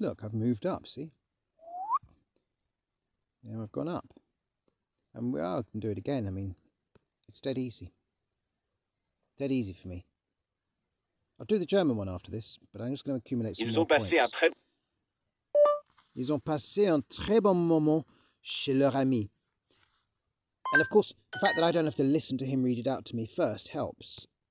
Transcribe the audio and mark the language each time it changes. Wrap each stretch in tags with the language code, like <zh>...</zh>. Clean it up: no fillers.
<en>Look, I've moved up, see? Now I've gone up. And we are going to do it again. I mean, it's dead easy. Dead easy for me. I'll do the German one after this, but I'm just going to accumulate some</en> <fr>Ils ont passé un très bon moment chez leur ami.</fr> <en>And of course, the fact that I don't have to listen to him read it out to me first helps.</en>